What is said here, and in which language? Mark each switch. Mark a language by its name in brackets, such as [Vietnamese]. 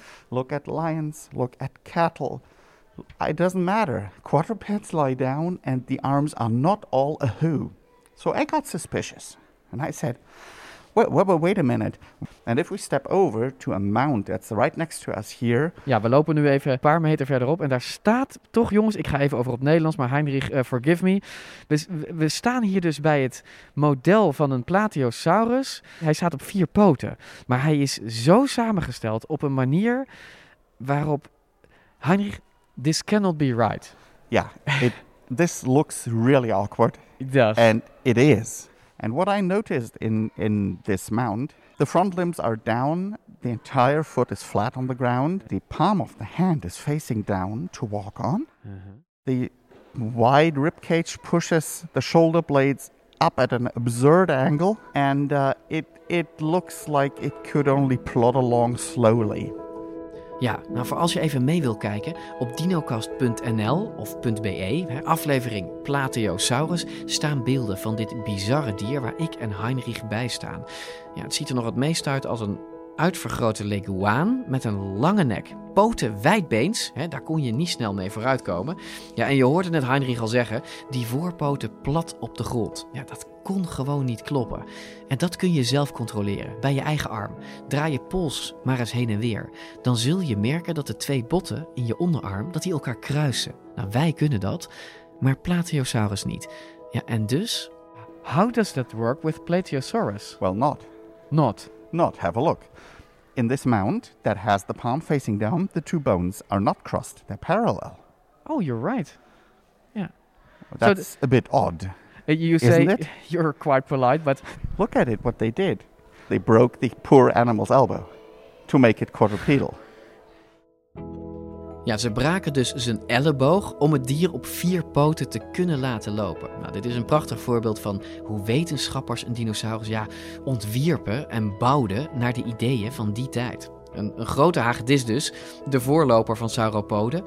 [English] Look at lions, look at cattle. It doesn't matter. Quadrupeds lie down and the arms are not all a who. So I got suspicious and I said, wait a minute. And if we step over to a mound that's right next to us here. [Dutch] Ja, we lopen nu even een paar meter verderop. En daar staat toch, jongens, ik ga even over op Nederlands, maar Heinrich, [English] forgive me. [Dutch] We staan hier dus bij het model van een Plateosaurus. Hij staat op vier poten. Maar hij is zo samengesteld op een manier waarop... [English] Heinrich, this cannot be right. Ja, this looks really awkward. It does. And it is. And what I noticed in this mound, the front limbs are down, the entire foot is flat on the ground, the palm of the hand is facing down to walk on, the wide ribcage pushes the shoulder blades up at an absurd angle, and it looks like it could only plod along slowly. [Dutch] Ja, nou voor als je even mee wil kijken, op dinocast.nl of .be, aflevering Plateosaurus, staan beelden van dit bizarre dier waar ik en Heinrich bij staan. Ja, het ziet er nog het meest uit als een uitvergrote leguaan met een lange nek. Poten wijdbeens, hè, daar kon je niet snel mee vooruitkomen. Ja, en je hoorde net Heinrich al zeggen, die voorpoten plat op de grond. Ja, dat kon gewoon niet kloppen. En dat kun je zelf controleren, bij je eigen arm. Draai je pols maar eens heen en weer. Dan zul je merken dat de twee botten in je onderarm, dat die elkaar kruisen. Nou, wij kunnen dat, maar Plateosaurus niet. Ja, en dus... [English] How does that work with Plateosaurus? Well, not. Not. Not. Have a look. In this mound that has the palm facing down, the two bones are not crossed. They're parallel. Oh, you're right. Yeah. That's a bit odd. You say you're quite polite, but... Look at it, what they did. They broke the poor animal's elbow to make it quadrupedal. [Dutch] Ja, ze braken dus zijn elleboog om het dier op vier poten te kunnen laten lopen. Nou, dit is een prachtig voorbeeld van hoe wetenschappers een dinosaurus ontwierpen en bouwden naar de ideeën van die tijd. Een grote hagedis dus, de voorloper van sauropoden.